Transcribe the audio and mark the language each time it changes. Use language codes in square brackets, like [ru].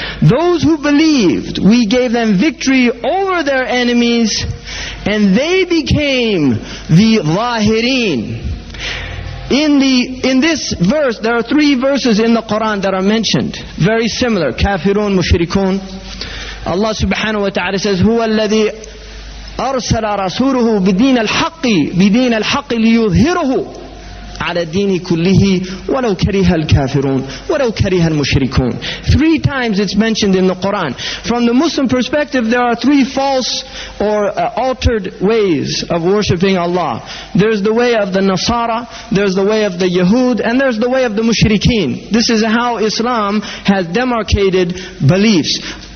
[en] Those who believed, we gave them victory over their enemies, and they became the Zahireen. In this verse, there are three verses in the Quran that are mentioned. Very similar. Kafirun, Mushrikun. Allah subhanahu wa ta'ala says, [ar] هو الذي أرسل رسوله بدين الحق ليظهره على الدين كله ولو كره الكافرون ولو كره المشركون. [en] Three times it's mentioned in the Quran. From the Muslim perspective, there are three false or altered ways of worshiping Allah. There's the way of the Nasara, there's the way of the Yahud, and there's the way of the Mushrikeen. This is how Islam has demarcated beliefs.